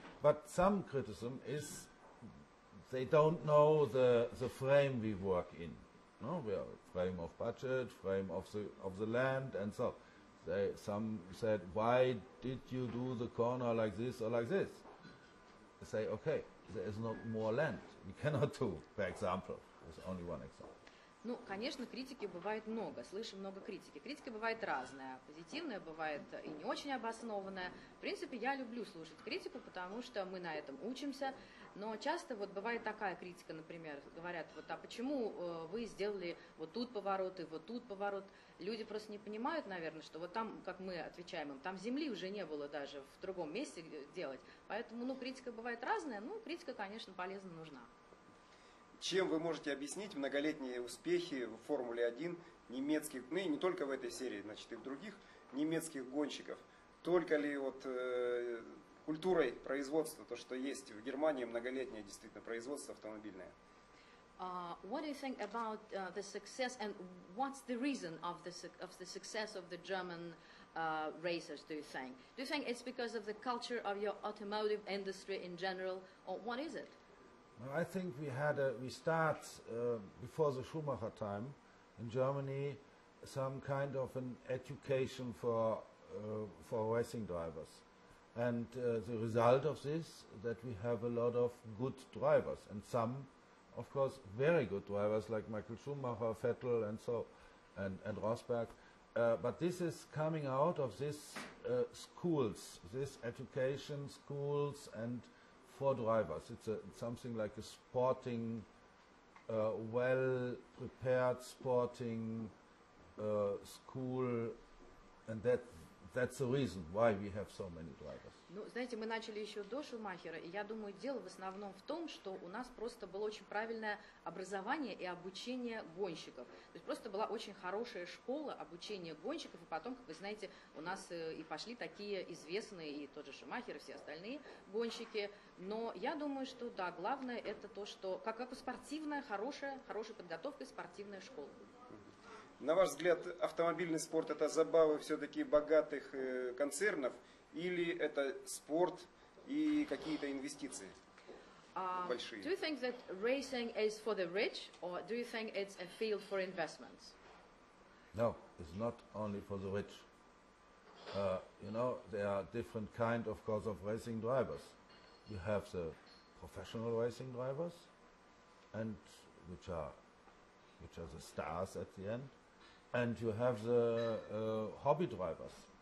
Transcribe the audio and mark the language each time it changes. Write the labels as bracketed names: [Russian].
[English] But some criticism is, they don't know the frame we work in. No, we have a frame of budget, frame of the land, and so. Some said, why did you do the corner like this or like this? I say, okay, there is not more land. We cannot do, for example. There's only one example. [Russian] Ну, конечно, критики бывает много, слышим много критики. Критика бывает разная, позитивная бывает и не очень обоснованная. В принципе, я люблю слушать критику, потому что мы на этом учимся. Но часто вот бывает такая критика, например, говорят, вот, а почему вы сделали вот тут поворот и вот тут поворот? Люди просто не понимают, наверное, что вот там, как мы отвечаем им, там земли уже не было даже в другом месте делать. Поэтому, ну, критика бывает разная, ну, критика, конечно, полезна, нужна. Чем вы можете объяснить многолетние успехи в Формуле-1 немецких, ну и не только в этой серии, значит, и в других немецких гонщиков? Только ли вот культурой производства, то, что есть в Германии, многолетнее действительно производство автомобильное? [English] What do you think about the success and what's the reason of the success of the German racers, do you think? Do you think it's because of the culture of your automotive industry in general, or what is it? I think we start before the Schumacher time in Germany some kind of an education for racing drivers, and the result of this that we have a lot of good drivers, and some of course very good drivers like Michael Schumacher, Vettel and so, and Rosberg, but this is coming out of this schools, this education schools and for drivers. It's something like a sporting, well-prepared sporting school, and that's the reason why we have so many drivers. [Russian] Ну, знаете, мы начали еще до Шумахера, и я думаю, дело в основном в том, что у нас просто было очень правильное образование и обучение гонщиков. То есть просто была очень хорошая школа обучения гонщиков, и потом, как вы знаете, у нас и пошли такие известные, и тот же Шумахер, и все остальные гонщики. Но я думаю, что да, главное это то, что как спортивная, хорошая подготовка и спортивная школа. На ваш взгляд, автомобильный спорт – это забавы все-таки богатых концернов? Или это спорт и какие-то инвестиции большие? [English] Do you think that racing is for the rich, or do you think it's a field for investments? No, it's not only for the rich. You know, there are different kind, of course, of racing drivers. You have the professional racing drivers, and which are the stars at the end, and you have the hobby drivers.